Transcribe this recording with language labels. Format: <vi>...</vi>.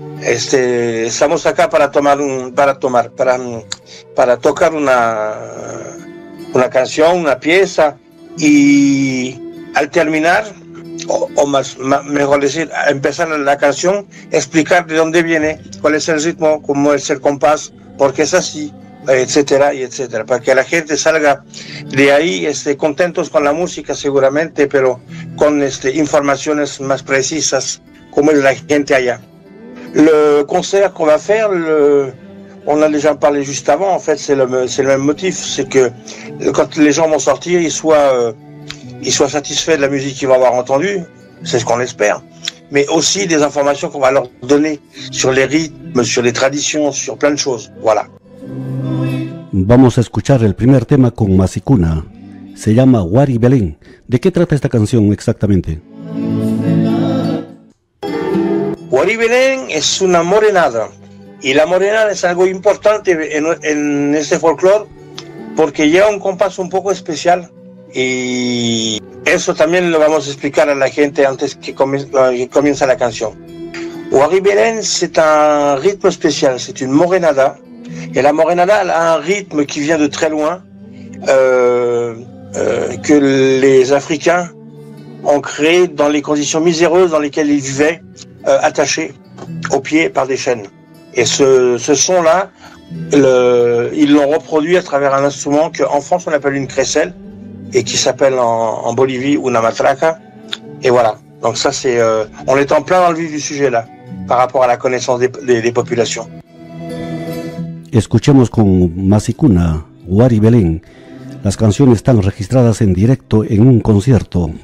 <es>Estamos acá para tocar una canción, una pieza, y al terminar, o mejor decir, al empezar la canción, explicar de dónde viene, cuál es el ritmo, cómo es el compás, por qué es así, etcétera, y etcétera, para que la gente salga de ahí contentos con la música seguramente, pero con informaciones más precisas, como es la gente allá.</es> <fr>Le concert qu'on va faire, on a déjà parlé juste avant, en fait, c'est le même motif, c'est que quand les gens vont sortir, ils soient satisfaits de la musique qu'ils vont avoir entendue, c'est ce qu'on espère, mais aussi des informations qu'on va leur donner sur les rythmes, sur les traditions, sur plein de choses, voilà.</fr> <es>Vamos a escuchar el primer tema con Masicuna. Se llama Wari Belén. ¿De qué trata esta canción exactamente? Wari Belén es una morenada. Y la morenada es algo importante en este folclore porque lleva un compás un poco especial. Y eso también lo vamos a explicar a la gente antes que comience la canción. Wari Belén es un ritmo especial, es una morenada.</es> <fr>Et la morenada a un rythme qui vient de très loin, que les Africains ont créé dans les conditions miséreuses dans lesquelles ils vivaient, attachés aux pieds par des chaînes. Et ce son-là, ils l'ont reproduit à travers un instrument qu'en France on appelle une crécelle, et qui s'appelle en Bolivie una matraca. Et voilà, donc ça c'est, on est en plein dans le vif du sujet là, par rapport à la connaissance des populations.</fr> <es>Escuchemos con Masicuna, Wari Belén. Las canciones están registradas en directo en un concierto.</es>